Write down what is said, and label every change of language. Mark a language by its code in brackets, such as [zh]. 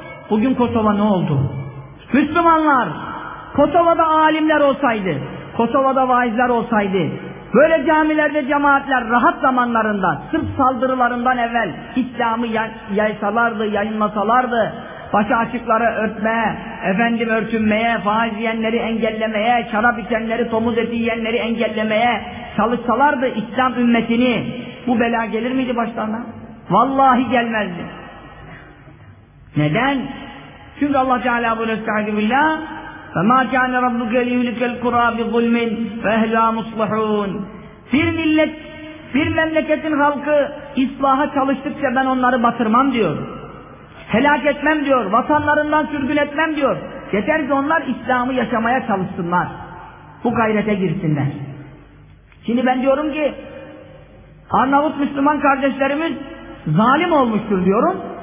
[tr] Bugün Kosova ne oldu? Müslümanlar, Kosova'da alimler olsaydı, Kosova'da vaizler olsaydı, böyle camilerde cemaatler rahat zamanlarında, sırf saldırılarından evvel İslam'ı yaysalardı, yayınlasalardı, başı açıkları örtmeye, efendim örtünmeye, faiz yiyenleri engellemeye, şarap içenleri, domuz eti yiyenleri engellemeye çalışsalardı İslam ümmetini, bu bela gelir miydi başlarına? Vallahi gelmezdi. Neden? Çünkü Allah Teala buyuruyor, [ar] فما كان ربك ليهلك القرى بظلم فأهلها مصلحون. [tr] Bir millet, bir memleketin halkı ıslaha çalıştıkça ben onları batırmam diyor. Helak etmem diyor, vatanlarından sürgün etmem diyor. Yeter ki onlar İslam'ı yaşamaya çalışsınlar. Bu gayrete girsinler. Şimdi ben diyorum ki, Arnavut Müslüman kardeşlerimiz zalim olmuştur diyorum.